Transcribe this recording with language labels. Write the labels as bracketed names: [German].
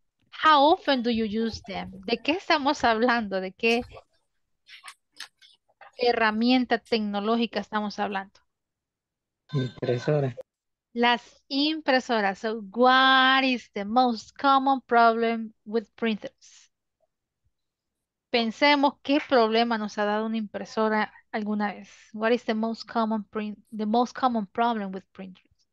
[English] How often do you use them? [Spanish] ¿De qué estamos hablando? ¿De qué herramienta tecnológica estamos hablando? Impresora. Las impresoras. [English] So, what is the most common problem with printers? [Spanish] Pensemos qué problema nos ha dado una impresora alguna vez. [English] What is the most common problem with printers?